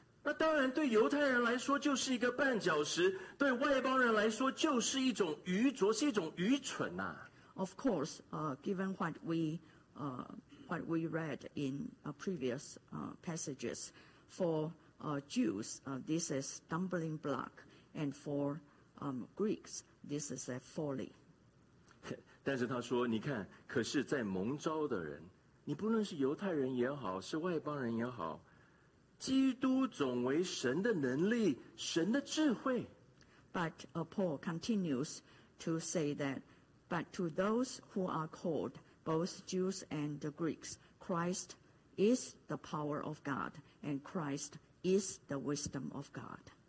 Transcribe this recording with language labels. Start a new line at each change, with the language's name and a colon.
Chinese: 那当然对犹太人来说就是一个绊脚石，对外邦人来说就是一种愚拙，是一种愚蠢啊。
English: Of course, given what we read in previous passages, for Jews, this is stumbling block, and for Greeks, this is a folly.
Chinese: 但是他说，你看，可是在蒙召的人，你不论是犹太人也好，是外邦人也好，基督总为神的能力，神的智慧。
English: But Paul continues to say that, but to those who are called, both Jews and the Greeks, Christ is the power of God, and Christ is the wisdom of God.